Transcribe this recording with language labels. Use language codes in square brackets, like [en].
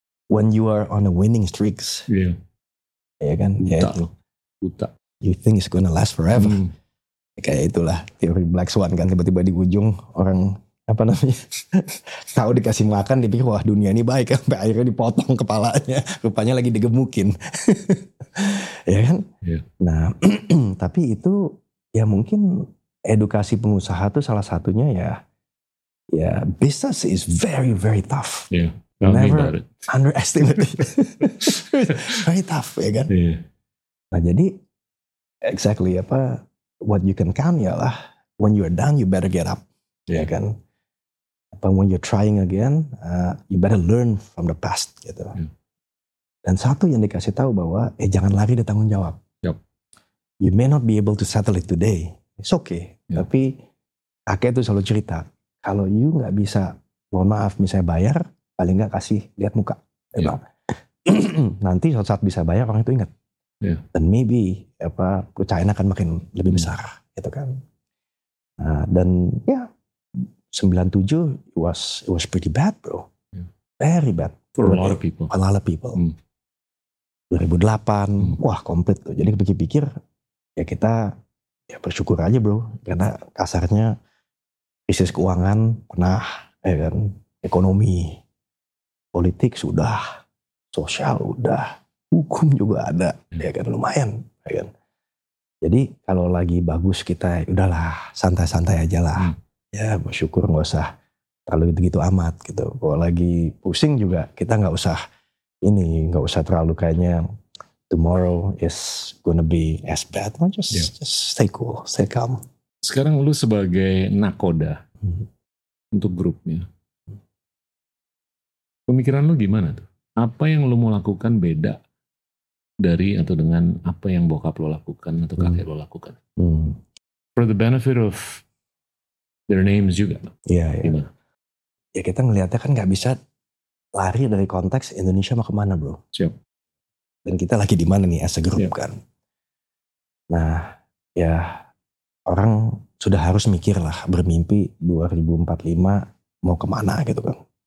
[en] When you are on a winning streaks. [id] Iya. Ya kan? Buta lo. Buta. [en] You think it's gonna last forever. [id] Kayak itulah teori Black Swan kan. Tiba-tiba di ujung orang apa namanya tahu dikasih makan, dipikir wah dunia ini baik, sampai akhirnya dipotong kepalanya, rupanya lagi digemukin. Ya kan? [en] Yeah. [id] Nah, tapi itu ya mungkin edukasi pengusaha itu salah satunya ya. [en] Ya, business is very very tough. Yeah. Never underestimate it. Very tough, [id] ya kan? [en] Yeah. [id] Nah, jadi [en] exactly apa what you can count ialah when you are down you better get up. Yeah. [id] Ya kan? [en] But when you're trying again, you better learn from the past, gitu. [id] Dan satu yang dikasih tahu bahwa, jangan lari dari tanggung jawab. [en] Yep. You may not be able to settle it today. It's okay. Yep. [id] Tapi, kakek itu selalu cerita, kalau you gak bisa, mohon maaf, misalnya bayar, paling gak kasih lihat muka. [en] Yep. [id] Nanti saat bisa bayar, orang itu ingat. [en] Yeah. And maybe, [id] apa, percayaan akan makin lebih besar. Gitu kan. Nah, dan, ya, [en] 97 it was pretty bad bro. Yeah. Very bad. For a lot of people. A lot of people. Mm. [id] 2008, wah komplit tuh. Jadi pikir-pikir, ya kita ya bersyukur aja bro. Karena kasarnya, krisis keuangan, pernah, ya kan, ekonomi, politik sudah, sosial udah, hukum juga ada. Mm. Ya kan, lumayan. Ya kan. Jadi kalau lagi bagus kita, udahlah, santai-santai aja lah. Mm. Ya bersyukur gak usah terlalu gitu-gitu amat gitu. Kalau lagi pusing juga kita gak usah ini, gak usah terlalu kayaknya [en] tomorrow is gonna be as bad. Just stay cool, stay calm. [id] Sekarang lu sebagai nakoda untuk grupnya. Pemikiran lu gimana tuh? Apa yang lu mau lakukan beda dari atau dengan apa yang bokap lu lakukan atau kakek lu lakukan? [en] For the benefit of their names juga. [id] Iya, iya. Ya kita ngelihatnya kan gak bisa lari dari konteks Indonesia mau kemana bro. Siap. Dan kita lagi di mana nih [en] as a group [id] kan. Nah, ya orang sudah harus mikir lah bermimpi 2045 mau kemana gitu kan.